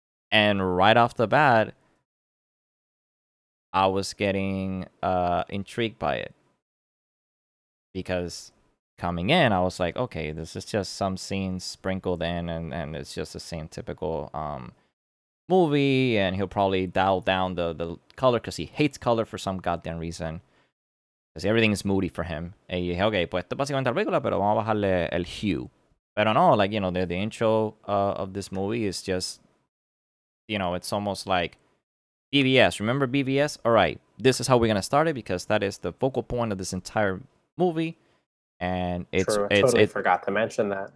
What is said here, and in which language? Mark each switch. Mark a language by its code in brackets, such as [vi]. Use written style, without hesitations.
[en] And right off the bat, I was getting intrigued by it, because coming in, I was like, okay, this is just some scenes sprinkled in, and it's just the same typical movie, and he'll probably dial down the color because he hates color for some goddamn reason. Because everything is moody for him. [es] Y dije, okay, pues esto básicamente la película, pero vamos a bajarle el hue. Pero no, [en] like, you know, the intro of this movie is just, you know, it's almost like BVS. Remember BVS? All right, this is how we're going to start it, because that is the focal point of this entire movie. And it's true. I forgot to mention that.